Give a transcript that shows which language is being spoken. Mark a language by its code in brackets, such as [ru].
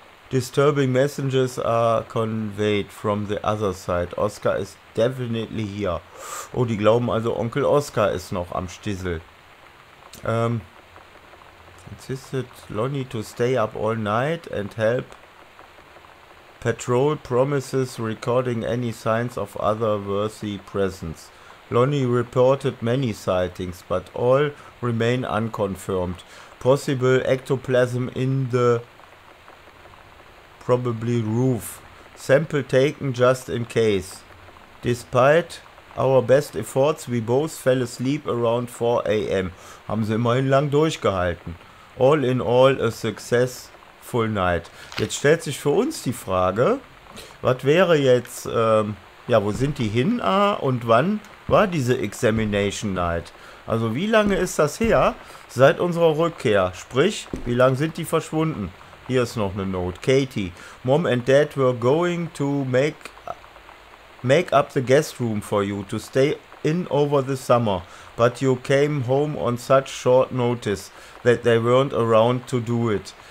[en] Disturbing messages are conveyed from the other side. Oscar is definitely here. [de] Oh, die glauben also, Onkel Oscar ist noch am Stissel. [en] Insisted Lonnie to stay up all night and help. Patrol promises recording any signs of otherworthy presence. Lonnie reported many sightings, but all remain unconfirmed. Possible ectoplasm in the... Probably roof. Sample taken just in case. Despite our best efforts, we both fell asleep around 4 a.m. [de] Haben sie immerhin lang durchgehalten. [en] All in all a successful night. [de] Jetzt stellt sich für uns die Frage, was wäre jetzt, ja, wo sind die hin, und wann war diese Examination Night? Also wie lange ist das her seit unserer Rückkehr? Sprich, wie lange sind die verschwunden? Hier ist noch eine Note. [en] Katie, Mom and Dad were going to make up the guest room for you to stay in over the summer. But you came home on such short notice that they weren't around to do it.